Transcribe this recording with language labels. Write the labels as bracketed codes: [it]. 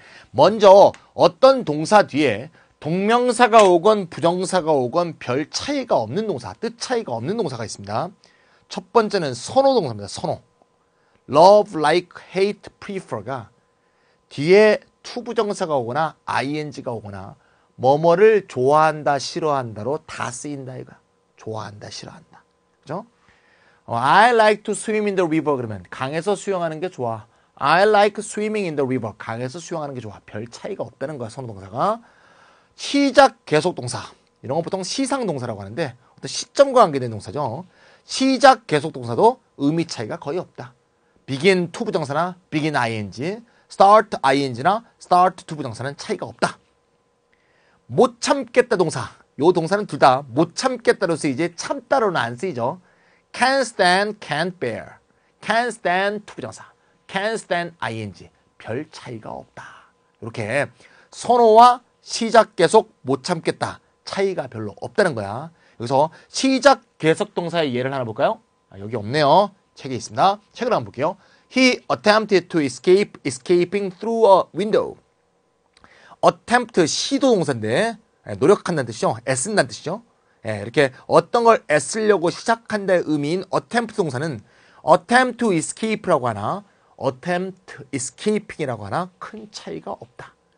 [ko] 먼저 어떤 동사 뒤에 동명사가 오건 부정사가 오건 별 차이가 없는 동사, 뜻 차이가 없는 동사가 있습니다. 첫 번째는 선호 동사입니다. 선호. love, like, hate, prefer가 뒤에 to 부정사가 오거나 ing가 오거나 뭐뭐를 좋아한다, 싫어한다로 다 쓰인다 이거야. 좋아한다, 싫어한다. 그죠? [en] I like to swim in the river [ko] 그러면 강에서 수영하는 게 좋아. [en] I like swimming in the river. [ko] 강에서 수영하는 게 좋아. 별 차이가 없다는 거야, 선호 동사가. 시작 계속 동사. 이런 건 보통 시상 동사라고 하는데 어떤 시점과 관계된 동사죠. 시작 계속 동사도 의미 차이가 거의 없다. begin to 부정사나 begin ing, start ing나 start to 부정사는 차이가 없다. 못 참겠다 동사. 요 동사는 둘 다 못 참겠다로 쓰이지 참다로는 안 쓰이죠. [en] Can't stand, can't bear. Can't stand, 투부정사. Can't stand, ing. [ko] 별 차이가 없다. 이렇게 선호와 시작 계속 못 참겠다. 차이가 별로 없다는 거야. 여기서 시작 계속 동사의 예를 하나 볼까요? 아, 여기 없네요. 책에 있습니다. 책을 한번 볼게요. [en] He attempted to escape, escaping through a window. [ko] Attempt, 시도 동사인데 노력한다는 뜻이죠. 애쓴다는 뜻이죠. 이렇게 어떤 걸 애쓰려고 시작한다의 의미인 attempt 동사는 attempt to escape라고 하나, attempt escaping이라고 하나 큰 차이가 없다.